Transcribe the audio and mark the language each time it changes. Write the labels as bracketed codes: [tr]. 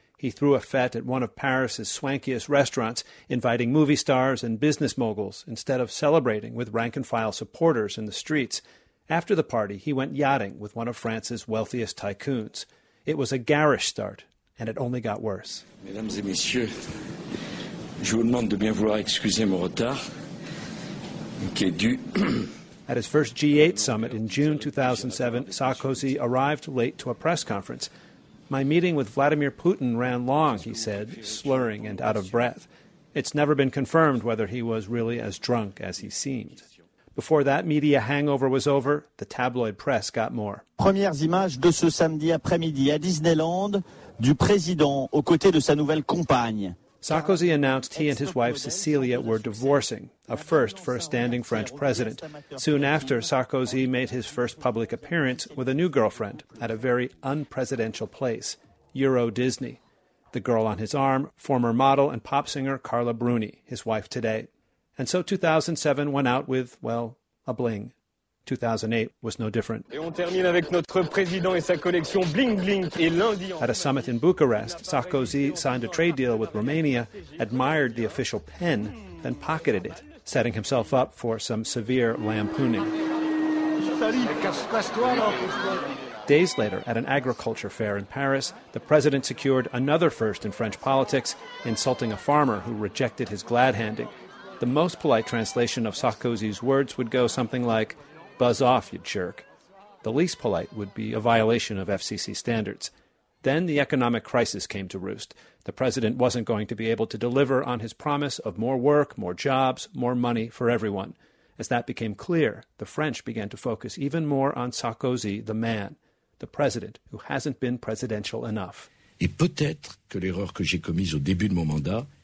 [en] He threw a fete at one of Paris's swankiest restaurants, inviting movie stars and business moguls, instead of celebrating with rank-and-file supporters in the streets. After the party, he went yachting with one of France's wealthiest tycoons. It was a garish start, and it only got worse. [fr] Mesdames et messieurs, je vous demande de bien vouloir excuser mon retard, qui est dû. [en] At his first G8 summit in June 2007, Sarkozy arrived late to a press conference. My meeting with Vladimir Putin ran long, he said, slurring and out of breath. It's never been confirmed whether he was really as drunk as he seemed. Before that media hangover was over, the tabloid press got more. [fr] Premières images de ce samedi après-midi à Disneyland, du président aux côtés de sa nouvelle compagne. [en] Sarkozy announced he and his wife Cecilia were divorcing, a first for a standing French president. Soon after, Sarkozy made his first public appearance with a new girlfriend at a very unpresidential place, Euro Disney. The girl on his arm, former model and pop singer Carla Bruni, his wife today. And so 2007 went out with, well, a bling. 2008 was no different. [fr] Et on termine avec notre président et sa collection bling bling. Et lundi, [en] at a summit in Bucharest, Sarkozy signed a trade deal with Romania, admired the official pen, then pocketed it, setting himself up for some severe lampooning. Days later, at an agriculture fair in Paris, the president secured another first in French politics, insulting a farmer who rejected his glad-handing. The most polite translation of Sarkozy's words would go something like, "Buzz off, you jerk." The least polite would be a violation of FCC standards. Then the economic crisis came to roost. The president wasn't going to be able to deliver on his promise of more work, more jobs, more money for everyone. As that became clear, the French began to focus even more on Sarkozy, the man, the president who hasn't been presidential enough. [fr] Et peut-être que l'erreur que j'ai commise au début de mon mandat.